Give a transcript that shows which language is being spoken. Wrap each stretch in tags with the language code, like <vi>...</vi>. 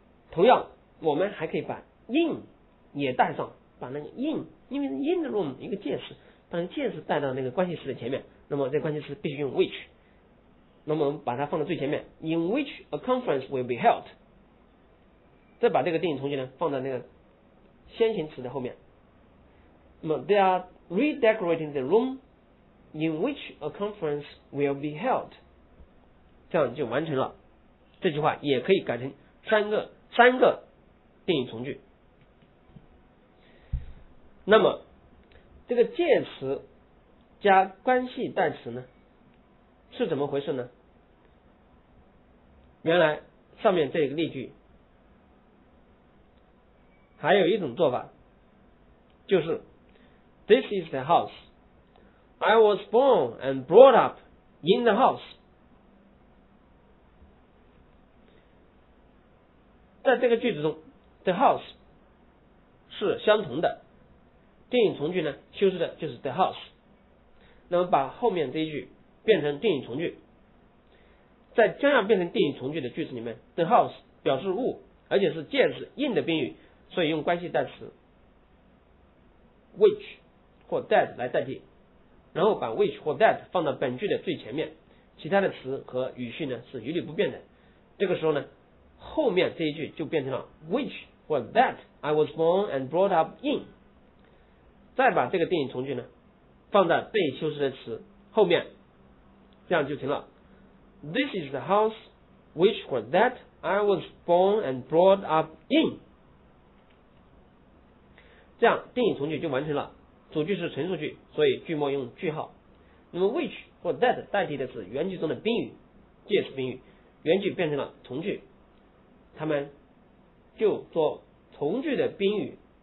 <zh>同样，我们还可以把in 也带上，把那个 in， 因为</zh> <en>in the room</en> <zh>一个介词，把那个介词带到那个关系词的前面，那么这关系词必须用 which， 那么把它放在最前面 ，</zh> <en>in which a conference will be held，</en> <zh>再把这个定语从句呢放在那个先行词的后面，那么</zh> <en>they are redecorating the room in which a conference will be held，</en> <zh>这样就完成了。这句话也可以改成三个定语从句。那么这个介词加关系代词呢是怎么回事呢？原来上面这个例句还有一种做法，就是</zh> <en>This is the house</en> <zh>I was born and brought up in the house。在这个句子中 The house 是相同的，定语从句呢修饰的就是 the house， 那么把后面这一句变成定语从句。在将要变成定语从句的句子里面， the house 表示物，而且是介词 in 的宾语，所以用关系代词 which 或 that 来代替，然后把 which 或 that 放到本句的最前面，其他的词和语序呢是一律不变的。这个时候呢，后面这一句就变成了 which 或 that</zh> <en>I was born and brought up in。</en> <zh>再把这个定语从句呢放在被修饰的词后面，这样就成了</zh> <en>This is the house which for that I was born and brought up in。</en> <zh>这样定语从句就完成了，主句是陈述句，所以句末用句号。那么 which 或 that 代替的是原句中的宾语，介词宾语，原句变成了从句，他们就做从句的宾语。</zh>